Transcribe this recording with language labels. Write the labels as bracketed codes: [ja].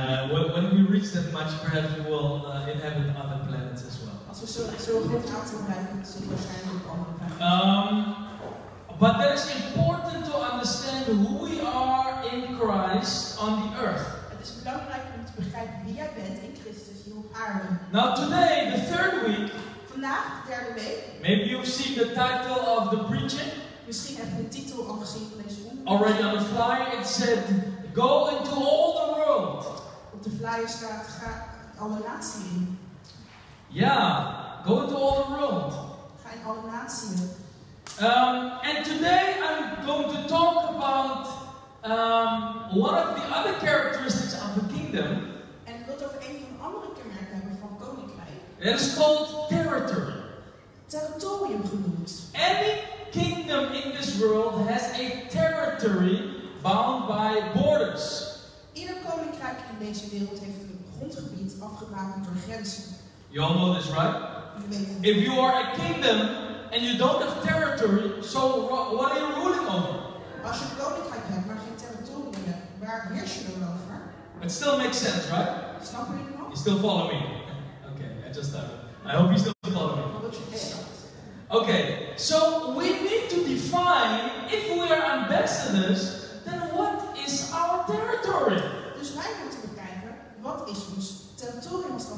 [en] When we reach that much, perhaps we will inhabit other planets as well. [nl] Als we zo groot aantal blijven, zullen we waarschijnlijk ook andere planeten. [en] But that is important to understand who we are in Christ on the earth. [nl] Het is belangrijk om te begrijpen wie jij bent in Christus hier op aarde. [en] Now today, the third week. [nl] Vandaag, de derde week. [en] Maybe you've seen the title of the preaching. [nl] Misschien heb je de titel al gezien van deze week. [en] Already on the flyer it said, go into all the world. [nl] Op de flyer staat, ga alle naties in. [en] Yeah, go into all the world. [nl] Ga in alle naties. [en] And today I'm going to talk about one of the other characteristics of the kingdom. [nl] En ik wil het over een van de andere kenmerken hebben van koninkrijk. [en] It is called territory. [nl] Territorium genoemd. [en] Any kingdom in this world has a territory bound by borders. [nl] Ieder koninkrijk in deze wereld heeft een grondgebied afgebakend door grenzen. [en] You all know this, right? If you are a kingdom and you don't have territory, so what are you ruling over? [nl] Als je een koninkrijk hebt, maar geen territorium hebt, waar heers je dan over? [en] It still makes sense, right? [nl] Snap je nog? [en] You still follow me? Okay, I just thought. I hope you still follow me. Okay, so we need to define, if we are ambassadors, then what is our territory? [nl] Dus wij moeten bekijken, wat is ons territorium als ambassadeur?